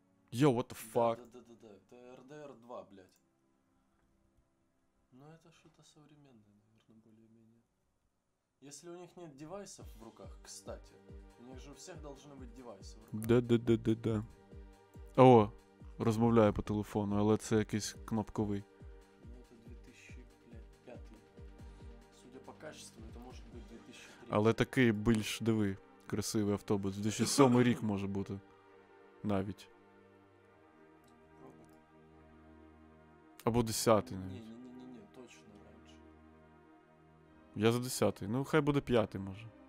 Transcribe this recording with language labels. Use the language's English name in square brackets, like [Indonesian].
[English] Йо, what the fuck? [Ukrainian] Да-да-да, це RDR-2, блядь. Ну, це щось сучасне, мабуть, більш-менш. Якщо у них [Russian] нет [Ukrainian] девайсів в руках, [Russian] кстати. У них же у всех должны быть девайсы. Да. [Ukrainian] О, розмовляю по телефону, але це якийсь кнопковий. Ну це 2005. [Russian] Судя по качеству, это может быть 2003. [Ukrainian] Але такий більш, диви, красивий автобус. 2007 рік може бути. Навіть. Або 10-й навіть. Ні, точно раніше. Я за 10-й. Ну хай буде 5-й може.